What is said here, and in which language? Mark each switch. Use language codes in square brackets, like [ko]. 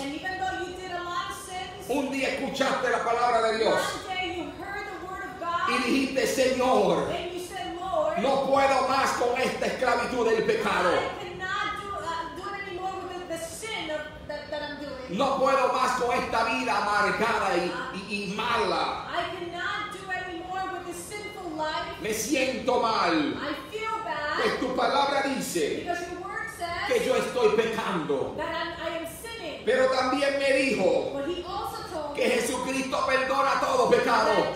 [en] and even though you did a lot of sins, [es] un día escuchaste la palabra de Dios, [en] one day you heard the word of God, [es] y dijiste, Señor, [en] and you said, Lord, [es] no puedo más con esta esclavitud del pecado. [en] I cannot do it anymore with the sin that I'm doing. [es] No puedo más con esta vida amargada y mala. [en] I cannot do anymore with this sinful life. [es] Me siento mal. [en] I feel bad. [es] Pues tu palabra dice, que yo estoy pecando. Pero también me dijo que Jesucristo perdona todo pecado.